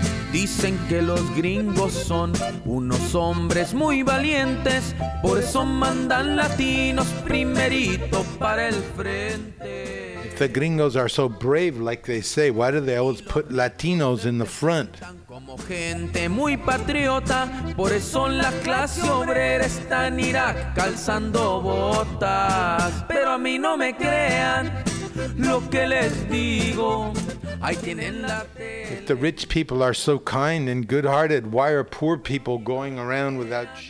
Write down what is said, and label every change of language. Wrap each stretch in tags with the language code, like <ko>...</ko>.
<es>Dicen que los gringos son unos hombres muy valientes, por eso mandan latinos primerito para el frente.</es> <en>If the gringos are so brave, like they say, why do they always put latinos in the front?</en> <es>Como gente muy patriota, por eso la clase obrera está en Irak calzando botas. Pero a mí no me crean lo que les digo.</es> <en>If the rich people are so kind and good-hearted, why are poor people going around without</en>